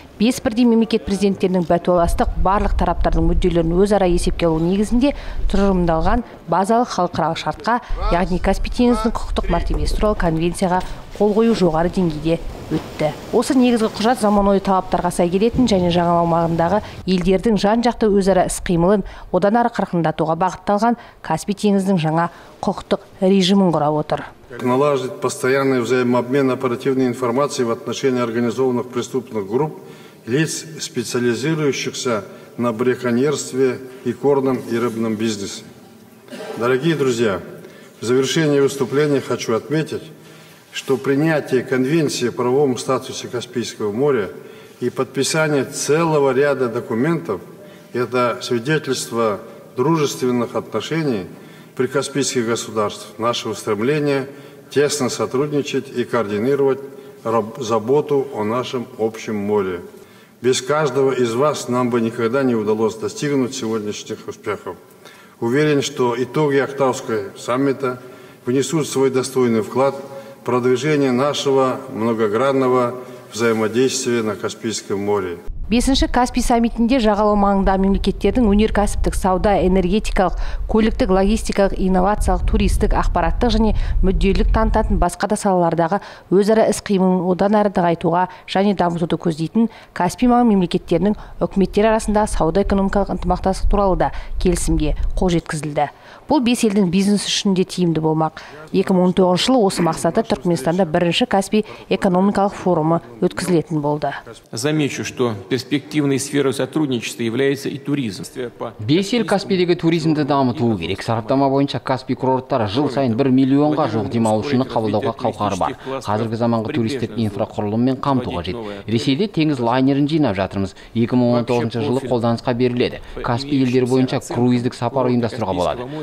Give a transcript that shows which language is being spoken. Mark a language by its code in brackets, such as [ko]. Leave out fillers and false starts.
[kk] 5 бірдей мемлекет президенттерінің бәтуаластық барлық тараптардың мүдделерін өзара есепке алу негізінде тұжырымдалған базалық халықаралық шартқа, яғни Каспий теңізінің құқықтық мәртебесі туралы конвенцияға қол қою жоғары деңгейде өтті. Осы негізгі құжат заманауи талаптарға сай келетін және жағалау аумағындағы елдердің жан-жақты өзара іс-қимылын одан ары қарқындатуға бағытталған Каспий теңізінің жаңа құқықтық режимін құрап отыр. [ru] Налаживать постоянный взаимообмен оперативной информацией в отношении организованных преступных групп, лиц, специализирующихся на браконьерстве и корном и рыбном бизнесе. Дорогие друзья, в завершении выступления хочу отметить, что принятие конвенции о правовом статусе Каспийского моря и подписание целого ряда документов – это свидетельство дружественных отношений прикаспийских государств, наше устремление тесно сотрудничать и координировать заботу о нашем общем море. Без каждого из вас нам бы никогда не удалось достигнуть сегодняшних успехов. Уверен, что итоги Ахтауского саммита внесут свой достойный вклад в продвижение нашего многогранного взаимодействия на Каспийском море. [kk] 5-ші Каспий саммитінде жағалау маңында мемлекеттердің өнеркәсіптік, сауда, энергетикалық, көліктік, логистикалық, инновациялық, туристік, ақпараттық және мүдделік танытатын басқа да салалардағы өзара іс-қимылын одан әрі нығайтуға және дамытуды көздейтін Каспий маңы мемлекеттерінің үкіметтері арасында сауда-экономикалық ынтымақтастық туралы да келісімге қол жеткізілді. Бұл 5 елдің бизнес үшін де тиімді болмақ. 2019 жылы осы мақсатта Түркменстанда 1-ші Каспий экономикалық форумы өткізілетін болды. [ru] Замечу, что перспективной сферой сотрудничества является и туризм. [kk] 5 ел Каспийдегі туризмді дамытуы керек. Сараптама бойынша Каспий курорттары жыл сайын 1 миллионға жоқ демалушыны қабылдауға қауқары бар. Қазіргі заманғы туристердің инфрақұрылыммен қамту қажет. Ресейде теңіз лайнерін жинап жатырмыз. 2019 жылы қолданысқа беріледі. Каспий елдері бойынша круиздік сапар ұйымдастыруға болады.